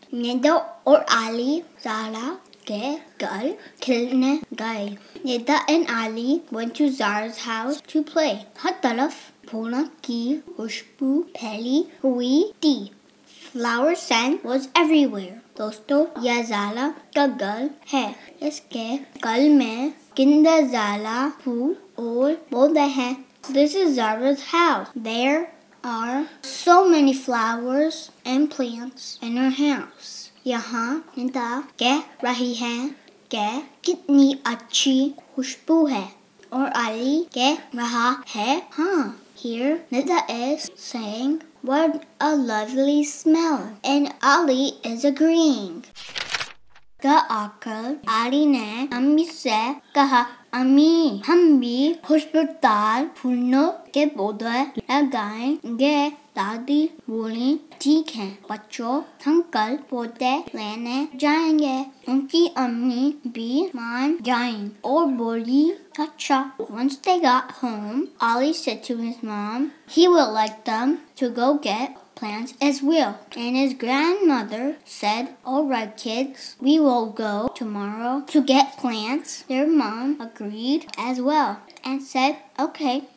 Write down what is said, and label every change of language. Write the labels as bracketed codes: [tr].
[ur] ندا اور علی زارا کے گھر کھیلنے گئے۔ [en] Nida and Ali went to Zara's house to play. [ur] ہر طرف پھولوں کی خوشبو پھیلی ہوئی تھی۔ [en] Flower scent was everywhere. [ur] دوستو، یہ زارا کا گھر ہے۔ اس کے گھر میں کائنڈ زارا پھول اور پودے ہیں۔ [en] This is Zara's house. There are so many flowers and plants in her house. [ur] یہاں ندا کہہ رہی ہے کہ کتنی اچھی خوشبو ہے۔ اور علی کہہ رہا ہے ہاں۔ [en] Here Nida is saying, "What a lovely smell." And Ali is agreeing. [ur] گا آکر علی نے امی سے کہا، "امی، ہم بھی خوشبودار پھولوں کے پودے لگائیں گے۔" دادی بولی، "ٹھیک ہے، بچو، ہم کل پودے لینے جائیں گے۔" ان کی امی بھی مان گئی اور بولی، "اچھا۔" [en] Once they got home, Ali said to his mom, he would like them to go get plants as well. And his grandmother said, "All right, kids, we will go tomorrow to get plants." Their mom agreed as well and said, "Okay."